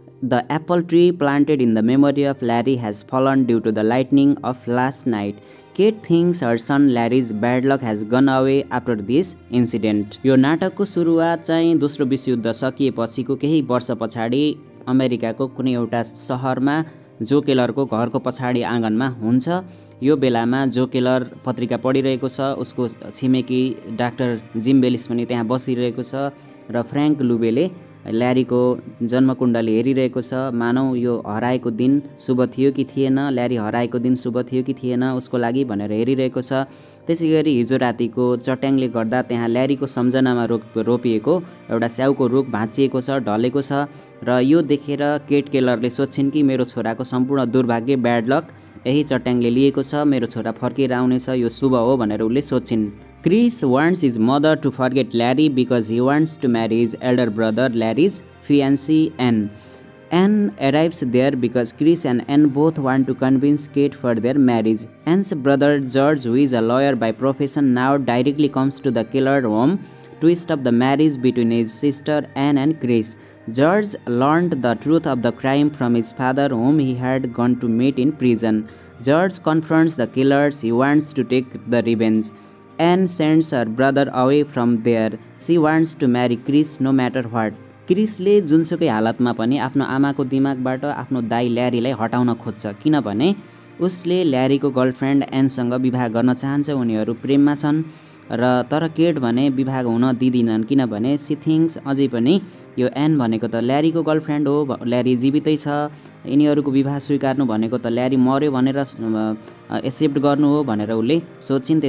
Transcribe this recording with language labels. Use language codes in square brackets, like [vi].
[en] The apple tree planted in the memory of Larry has fallen due to the lightning of last night. Kate thinks her son Larry's bad luck has gone away after this incident. [ne] यो नाटकको सुरुवात चाहिँ दोस्रो विश्वयुद्ध सकिएपछिको केही वर्ष पछाडि अमेरिकाको कुनै एउटा सहरमा जो केलरको घरको पछाडि आँगनमा हुन्छ। यो बेलामा जो केलर पत्रिका पढिरहेको छ, उसको छिमेकी डाक्टर जिम बेलिस पनि त्यहाँ बसिरहेको छ र फ्रैंक लुबेले ल्यारीको जन्मकुण्डली हेरिरहेको छ। मानौ यो हराएको दिन शुभ थियो कि थिएन, ल्यारी हराएको दिन शुभ थियो कि थिएन उसको लागि भनेर हेरिरहेको छ। त्यसैगरी हिजो रातिको चट्याङले गर्दा त्यहाँ ल्यारीको सम्झनामा रोपिएको एउटा स्याउको रुख भाँचिएको छ, ढलेको छ र यो देखेर केट केलरले सोच्छिन् कि मेरो छोराको सम्पूर्ण दुर्भाग्य ब्याड लक यही चट्याङले लिएको छ, मेरो छोरा फर्केर आउनेछ, यो शुभ हो भनेर उसले सोच्छिन्। [en] Chris wants his mother to forget Larry because he wants to marry his elder brother Larry's fiancée Anne. Anne arrives there because Chris and Anne both want to convince Kate for their marriage. Anne's brother George, who is a lawyer by profession, now directly comes to the killer home to stop the marriage between his sister Anne and Chris. George learned the truth of the crime from his father, whom he had gone to meet in prison. George confronts the killers. He wants to take the revenge. Anne sends her brother away from there. She wants to marry Chris no matter what. [ne] Chrisले जुनसुकै हालतमा पनि आफ्नो आमाको दिमागबाट आफ्नो दाई ल्यारीलाई हटाउन खोज्छ, किनभने उसले ल्यारीको गर्लफ्रेन्ड एनसँग विवाह गर्न चाहन्छ, उनीहरू प्रेममा छन् र तर केट भने विवाह हुन दिदिनन् किनभने [en] she thinks [ne] अझै पनि यो एन भनेको त ल्यारीको गर्लफ्रेन्ड हो, ल्यारी जीवितै छ, यिनीहरूको विवाह स्वीकार्नु भनेको त ल्यारी मर्यो भनेर एक्सेप्ट गर्नु हो भनेर उसले सोच्छिन्।